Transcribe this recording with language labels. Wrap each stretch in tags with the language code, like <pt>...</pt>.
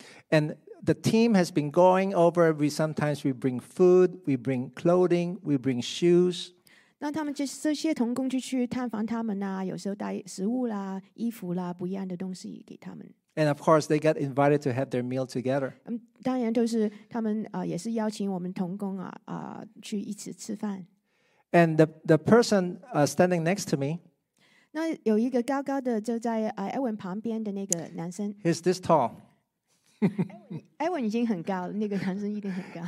<en>And the team has been going over, we bring food, we bring clothing, we bring shoes.</en> <zh>那他们就是这些同工就去探访他们啊，有时候带食物啦、衣服啦，不一样的东西给他们。</zh> <en>And of course, they get invited to have their meal together.</en> <zh>当然都是他们也是邀请我们同工去一起吃饭。</zh> <en>And the person standing next to me,</en> <zh>那有一个高高的就在Edwin旁边的那个男生。</zh> <en>He's this tall.</en> <zh>Edwin 已经很高了，那个男生一定很高。</zh>